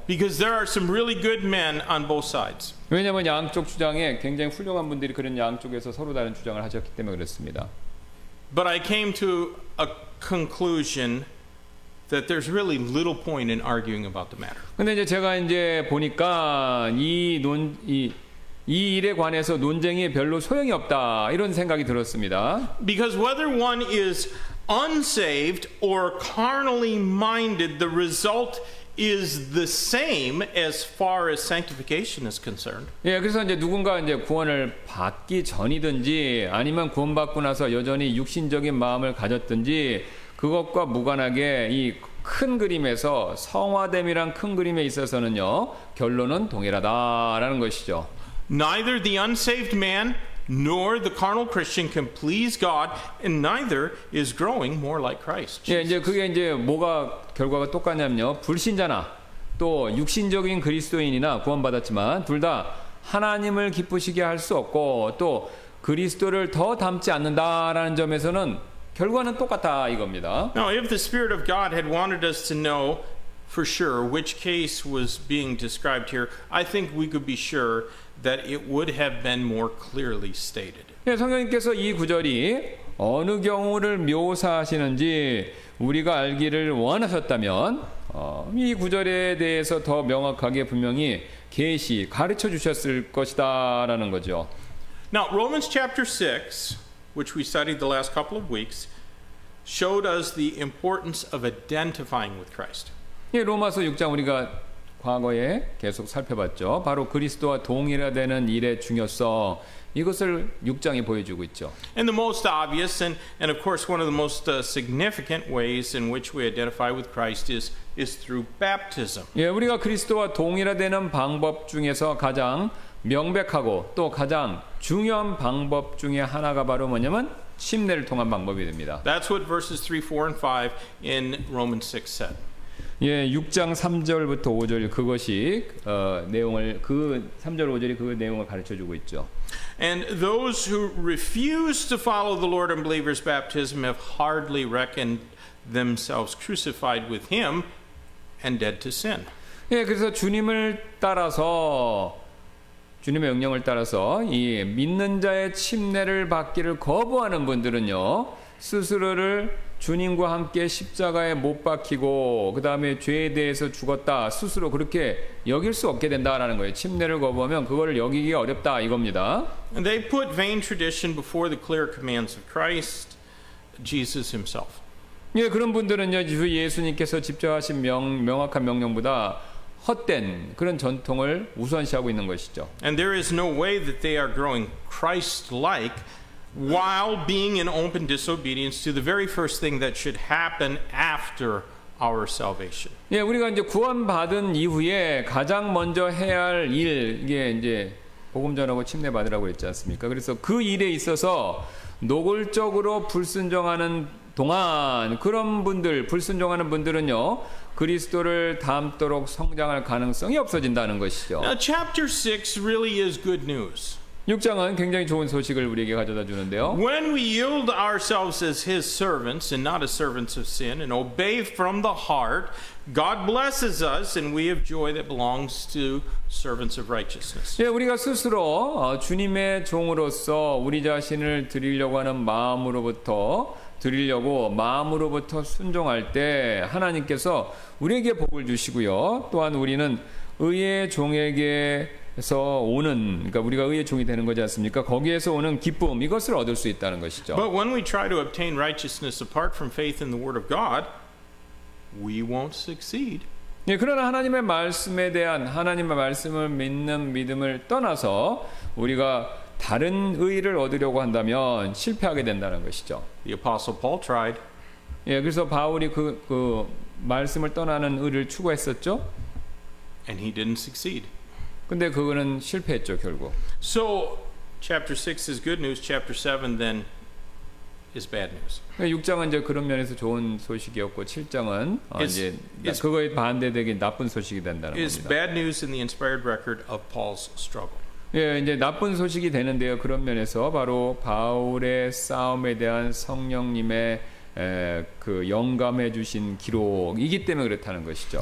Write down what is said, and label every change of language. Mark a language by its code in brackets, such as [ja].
[en] Because there are some really good men on both sides. [ko] 왜냐하면 양쪽 주장에 굉장히 훌륭한 분들이 그런 양쪽에서 서로 다른 주장을 하셨기 때문에 그렇습니다. [en] But I came to a conclusion that there's really little point in arguing about the matter. [ko] 근데 이제 제가 이제 보니까 이 일에 관해서 논쟁이 별로 소용이 없다 이런 생각이 들었습니다. [en] Because whether one is unsaved or carnally minded, the result is the same as far as sanctification is concerned. [ko] 예, 그래서 이제 누군가 이제 구원을 받기 전이든지 아니면 구원받고 나서 여전히 육신적인 마음을 가졌든지 그것과 무관하게 이 큰 그림에서 성화됨이란 큰 그림에 있어서는요 결론은 동일하다라는 것이죠. [en] Neither the unsaved man nor the carnal Christian can please God, and neither is growing more like Christ. Jesus. [ko] 예, 이제 그게 이제 뭐가 결과가 똑같냐면요, 불신자나 또 육신적인 그리스도인이나 구원받았지만 둘 다 하나님을 기쁘시게 할 수 없고 또 그리스도를 더 닮지 않는다라는 점에서는 결과는 똑같다 이겁니다. [en] Now, if the Spirit of God had wanted us to know for sure which case was being described here, I think we could be sure that it would have been more clearly stated. [ko] 예, 성경님께서 이 구절이 어느 경우를 묘사하시는지 우리가 알기를 원하셨다면 이 구절에 대해서 더 명확하게 분명히 계시 가르쳐 주셨을 것이다라는 거죠. [en] Now, Romans chapter 6, which we studied the last couple of weeks, showed us the importance of identifying with Christ. [ko] 예, 로마서 6장 우리가 과거에 계속 살펴봤죠. 바로 그리스도와 동일화되는 일의 중요성 이것을 6장이 보여주고 있죠. [en] And the most obvious and of course one of the most significant ways in which we identify with Christ is through baptism. [ko] 예, 우리가 그리스도와 동일화되는 방법 중에서 가장 명백하고 또 가장 중요한 방법 중에 하나가 바로 뭐냐면 침례를 통한 방법이 됩니다. [en] That's what verses 3, 4 and 5 in Romans 6 said. [ko] 예, 6장 3절부터 5절 그것이 내용을 그 3절 5절이 그 내용을 가르쳐 주고 있죠. [en] And those who refuse to follow the Lord and believers' baptism have hardly reckoned themselves crucified with him and dead to sin. [ko] 예, 그래서 주님을 따라서 주님의 명령을 따라서 이 믿는 자의 침례를 받기를 거부하는 분들은요. 스스로를 주님과 함께 십자가에 못 박히고 그 다음에 죄에 대해서 죽었다 스스로 그렇게 여길 수 없게 된다라는 거예요. 침례를 거부하면 그거를 여기기 어렵다 이겁니다. [en] And they put vain tradition before the clear commands of Christ, Jesus himself. [ko] 예, 그런 분들은요 주 예수님께서 직접 하신 명확한 명령보다 헛된 그런 전통을 우선시하고 있는 것이죠. [en] And there is no way that they are growing Christ-like while being in open disobedience to the very first thing that should happen after our salvation. [ko] 예, 우리가 이제 구원받은 이후에 가장 먼저 해야 할 일, 이게 이제 복음 전하고 침례 받으라고 했지 않습니까? 그래서 그 일에 있어서 노골적으로 불순종하는 동안 그런 분들, 불순종하는 분들은요, 그리스도를 닮도록 성장할 가능성이 없어진다는 것이죠. [en] Now, chapter 6 really is good news. [ko] 6장은 굉장히 좋은 소식을 우리에게 가져다 주는데요. [en] When we yield ourselves as his servants and not as servants of sin and obey from the heart, God blesses us and we have joy that belongs to servants of righteousness. [ko] 예, 우리가 스스로 주님의 종으로서 우리 자신을 드리려고 하는 마음으로부터 드리려고 마음으로부터 순종할 때 하나님께서 우리에게 복을 주시고요. 또한 우리는 의의 종에게 서 오는 그러니까 우리가 의의 종이 되는 거지 않습니까? 거기에서 오는 기쁨 이것을 얻을 수 있다는 것이죠. [en] But when we try to obtain righteousness apart from faith in the word of God, we won't succeed. [ko] 예, 그러나 하나님의 말씀에 대한 하나님의 말씀을 믿는 믿음을 떠나서 우리가 다른 의의를 얻으려고 한다면 실패하게 된다는 것이죠. [en] The apostle Paul tried. [ko] 예, 그래서 바울이 그 말씀을 떠나는 의를 추구했었죠. [en] And he didn't succeed. [ko] 근데 그거는 실패했죠, 결국. [en] So chapter 6 is good news, chapter 7 then is bad news. [ko] 6장은 이제 그런 면에서 좋은 소식이었고 7장은 이제 그거에 반대되게 나쁜 소식이 된다는 겁니다. [en] It's bad news in the inspired record of Paul's struggle. [ko] 예, 이제 나쁜 소식이 되는데요. 그런 면에서 바로 바울의 싸움에 대한 성령님의 그 영감해 주신 기록이기 때문에 그렇다는 것이죠.